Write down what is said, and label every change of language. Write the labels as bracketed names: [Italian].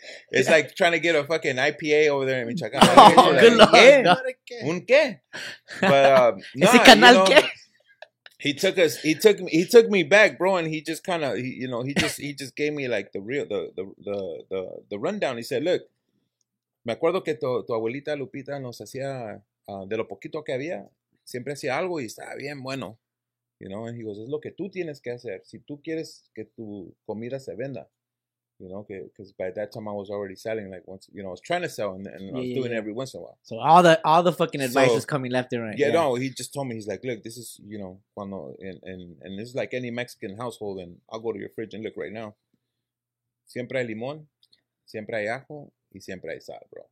[English] It's like trying to get a fucking IPA over there in Michoacán. Oh, good luck. [Spanish] ¿Un qué? ¿Ese canal qué? [English] He took me back, bro, and he just gave me like the real rundown. He said, look, [Spanish] me acuerdo que tu abuelita Lupita nos hacía de lo poquito que había, siempre hacía algo y estaba bien bueno. [English] You know, and he goes, [Spanish] es lo que tú tienes que hacer si tú quieres que tu comida se venda. [English] You know, because by that time I was already selling, like once, you know, I was trying to sell and I was doing it every once in a while. So all the fucking advice is coming left and right. Yeah, no, he just told me, he's like, look, this is, you know, [Spanish] cuando, [English] and this is like any Mexican household, and I'll go to your fridge and look right now. [Spanish] Siempre hay limón, siempre hay ajo, y siempre hay sal, [English] bro.